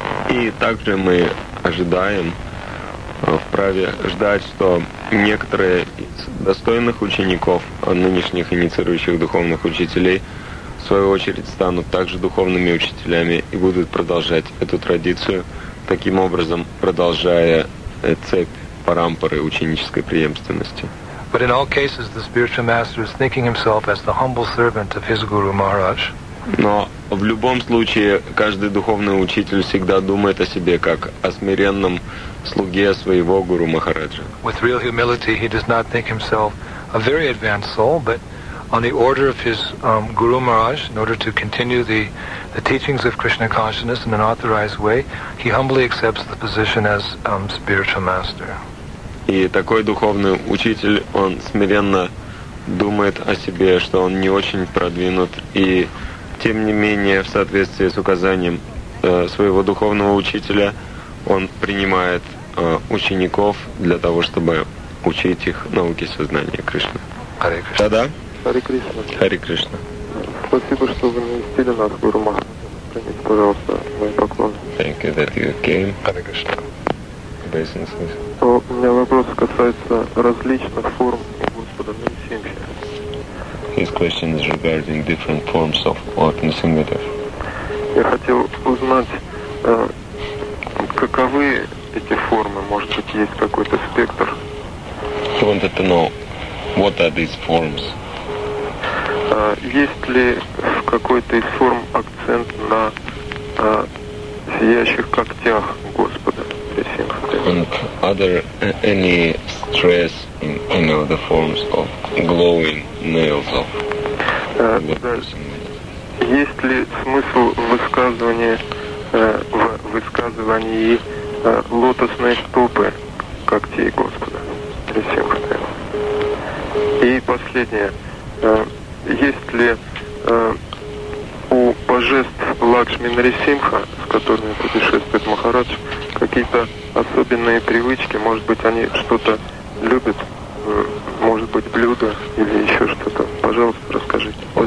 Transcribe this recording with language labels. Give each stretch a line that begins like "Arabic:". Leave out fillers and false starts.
Russian: И также мы ожидаем, вправе ждать, что некоторые из достойных учеников, нынешних инициирующих духовных учителей, в свою очередь станут также духовными учителями и будут продолжать эту традицию, таким образом продолжая цепь парампары ученической преемственности.
English: But in all cases, the spiritual master is thinking himself as the humble servant of his Guru Maharaj.
Russian: Но в любом случае, каждый духовный учитель всегда думает о себе как о смиренном слуге своего Гуру Махараджа.
English: With real humility, he does not think himself a very advanced soul, but on the order of his Guru Maharaj, in order to continue the teachings of Krishna consciousness in an authorized way, he humbly accepts the position as spiritual master.
Russian: И такой духовный учитель, он смиренно думает о себе, что он не очень продвинут, и тем не менее, в соответствии с указанием своего духовного учителя, он принимает учеников для того, чтобы учить их науке сознания Кришны. Харе Кришна. Да-да. Харе Кришна. Харе Кришна. Спасибо, что вы навестили нас, Гуру Махараджа. Принеси, пожалуйста, мой поклон.
English: Thank you that you came.
Russian: Харе Кришна. То у меня вопрос касается различных форм Господа Нарасимхи.
English: His question is regarding different forms of Lord Nrisimhadev.
Russian: Я хотел узнать, каковы эти формы, может быть, есть какой-то спектр.
English: He wanted to know what are these forms.
Russian: Есть ли в какой-то из форм акцент на сияющих когтях Господа?
English: And are there any stress in any of the forms of glowing nails of
Russian: Есть ли смысл в высказывании лотосной стопы когтей Господа? И последнее. Есть ли у божеств Лакшми Нарисимха, с которыми путешествует Махарадж, какие-то особенные привычки, может быть, они что-то любят, может быть, блюдо или еще что-то. Пожалуйста, расскажите.